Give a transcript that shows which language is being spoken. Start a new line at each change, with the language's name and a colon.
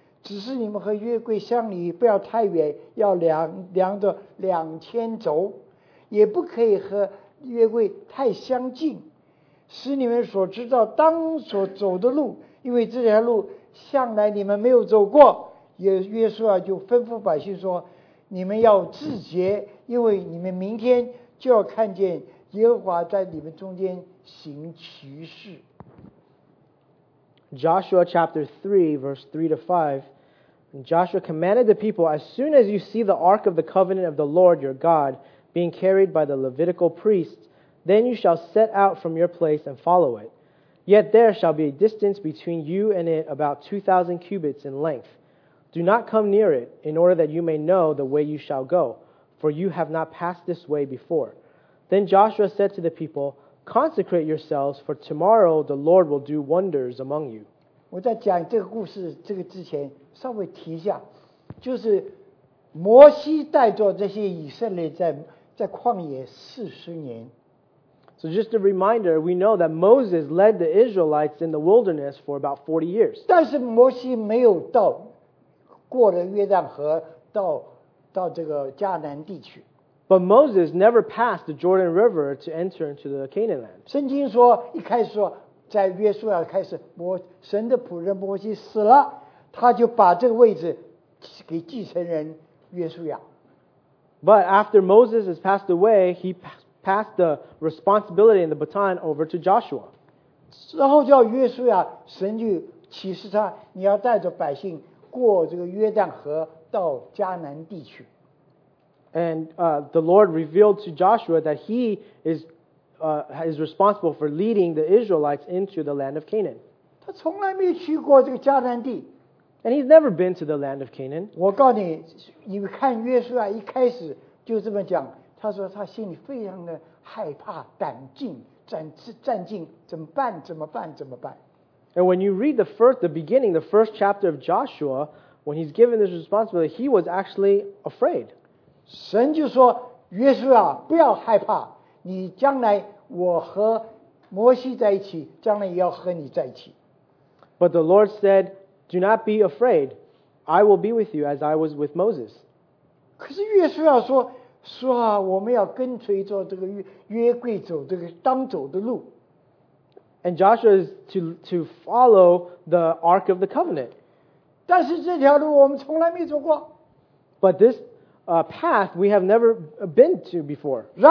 Chinese: 只是你们和约柜相离不要太远，要量着两千轴，也不可以和约柜太相近，使你们所知道当所走的路，因为这条路向来你们没有走过。约书亚就吩咐百姓说：你们要自洁，因为你们明天就要看见耶和华在你们中间行奇事。
English: Joshua chapter 3, verse 3 to 5. Joshua commanded the people, as soon as you see the ark of the covenant of the Lord your God being carried by the Levitical priests, then you shall set out from your place and follow it. Yet there shall be a distance between you and it about 2,000 cubits in length. Do not come near it, in order that you may know the way you shall go, for you have not passed this way before. Then Joshua said to the people, consecrate yourselves, for tomorrow the Lord will do wonders among you.
Chinese: 我在讲这个故事这个之前稍微提一下，就是摩西带着这些以色列在旷野四十年。
English: So just a reminder, we know that Moses led the Israelites in the wilderness for about 40 years.
Chinese: 但是摩西没有到过了约旦河到这个迦南地区。
English: But Moses never passed the Jordan River to enter into the Canaan land.
Chinese: 圣经说一开始说在约书亚开始神的仆人摩西死了，他就把这个位置给继承人约书亚。
English: But after Moses has passed away, he passed the responsibility and the baton over to Joshua.
Chinese: 之后叫约书亚，神就启示他，你要带着百姓过这个约旦河到迦南地区。
English: And the Lord revealed to Joshua that he is responsible for leading the Israelites into the land of Canaan.
Chinese: 他从来没有去过这个迦南地。
English: And he's never been to the land of Canaan.
Chinese: 我告诉你，你看约书亚一开始就这么讲。他说他心里非常的害怕，胆战心惊，怎么办？怎么办？怎么办？
English: And when you read the beginning, the first chapter of Joshua, when he's given this responsibility, he was actually afraid.
Chinese: 神就说，约书亚，不要害怕，你将来我和摩西在一起，将来也要和你在一起。
English: But the Lord said, "Do not be afraid. I will be with you as I was with Moses."
Chinese: 可是约书亚说。说啊，我们要跟随着这个约柜走，这个当走的路。
English: And Joshua is to follow the Ark of the Covenant.
Chinese: 但是这条路我们从来没走过。
English: But this path we have never been to before.